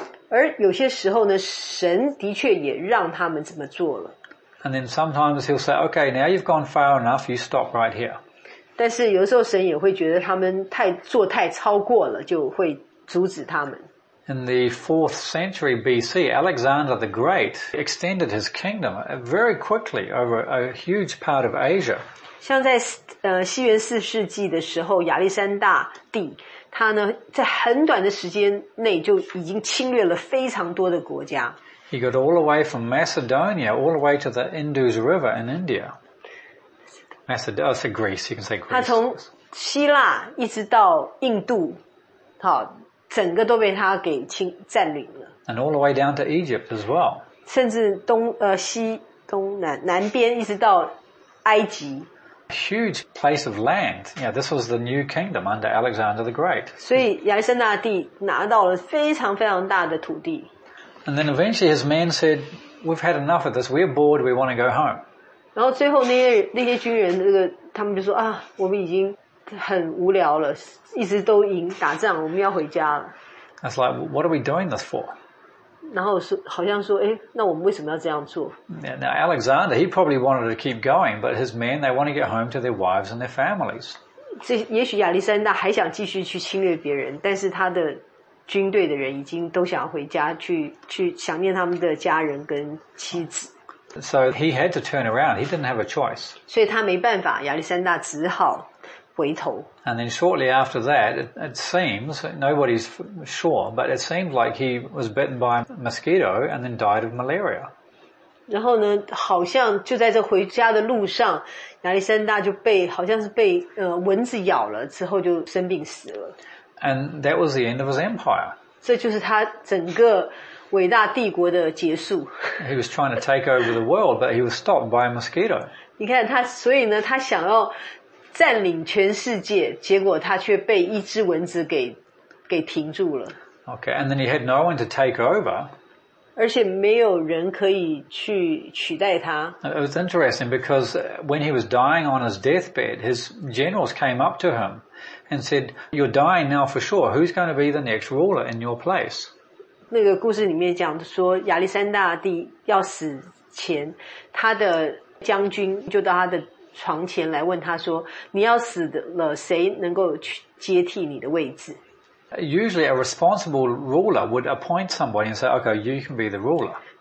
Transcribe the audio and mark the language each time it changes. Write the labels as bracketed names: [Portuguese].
[Chinese] 而有些时候呢，神的确也让他们这么做了。 [English] And then sometimes He'll say, "Okay, now you've gone far enough. You stop right here." [Chinese] 但是有时候神也会觉得他们太做太超过了，就会阻止他们。 [English] In the 4th century BC, Alexander the Great extended his kingdom very quickly over a huge part of Asia. [Chinese] 像在西元四世纪的时候，亚历山大帝他呢在很短的时间内就已经侵略了非常多的国家。 [English] He got all the way from Macedonia all the way to the Indus River in India. That's Greece, you can say Greece. [Chinese] 他从希腊一直到印度，好，整个都被他给占领了。 [English] And all the way down to Egypt as well. [Chinese] 甚至西东南边一直到埃及。 [English] Huge place of land. Yeah, this was the new kingdom under Alexander the Great. [Chinese] 所以亚历山大帝拿到了非常非常大的土地。 [English] And then eventually his men said, "We've had enough of this. We're bored. We want to go home." [Chinese] 然后最后那些军人，他们就说啊，我们已经很无聊了，一直都赢打仗，我们要回家了。 [English] It's like, what are we doing this for? [Chinese] 然后好像说，哎，那我们为什么要这样做 [English] ？Now Alexander, he probably wanted to keep going, but his men they want to get home to their wives and their families. [Chinese] 这也许亚历山大还想继续去侵略别人，但是他的军队的人已经都想回家去想念他们的家人跟妻子。 [English] So he had to turn around. He didn't have a choice. [Chinese] 所以他没办法，亚历山大只好回头。 [English] And then shortly after that, it seems, nobody's sure, but it seemed like he was bitten by a mosquito and then died of malaria. [Chinese] 然后呢好像就在这回家的路上，亚历山大就被好像是被蚊子咬了，之后就生病死了。 [English] And that was the end of his empire. [Chinese] 这就是他整个伟大帝国的结束。 [English] He was trying to take over the world, but he was stopped by a mosquito. [Chinese] 你看他，所以呢他想要占领全世界，结果他却被一只蚊子给停住了。 [English] Okay, and then he had no one to take over. [Chinese] 而且没有人可以去取代他。 [English] It was interesting because when he was dying on his deathbed, his generals came up to him and said, "You're dying now for sure. Who's going to be the next ruler in your place?" [Chinese] 那个故事里面讲说，亚历山大帝要死前，他的将军就到他的床前来问他说，你要死了，谁能够去接替你的位置？ [English] Usually a responsible ruler would appoint somebody and say, okay, you can be the ruler.